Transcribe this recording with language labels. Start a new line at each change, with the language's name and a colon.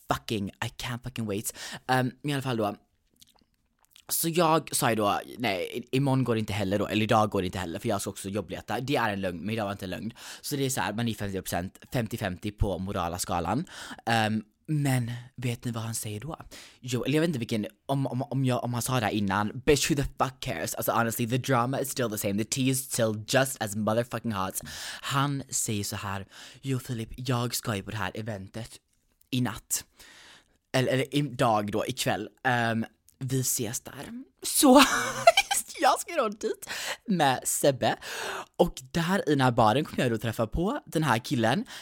English: I can't fucking wait.
Swedish: I alla fall då. Så jag sa ju då, nej, imorgon går det inte heller då. Eller idag går det inte heller, för jag ska också jobbleta. Det är en lögn, men idag var inte en lögn. Så det är så här, man är 50% 50-50 på morala skalan. Men vet ni vad han säger då? Jo, eller jag vet inte vilken, om han sa det innan.
English: Bitch, who the fuck cares? Alltså honestly, the drama is still the same. The tea is still just as motherfucking hot.
Swedish: Han säger så här, jo Filip, jag ska ju på det här eventet i natt. Eller idag då, ikväll. Vi ses där. Så jag ska gå dit med Sebbe. Och där i den här baren kommer jag då träffa på den här killen.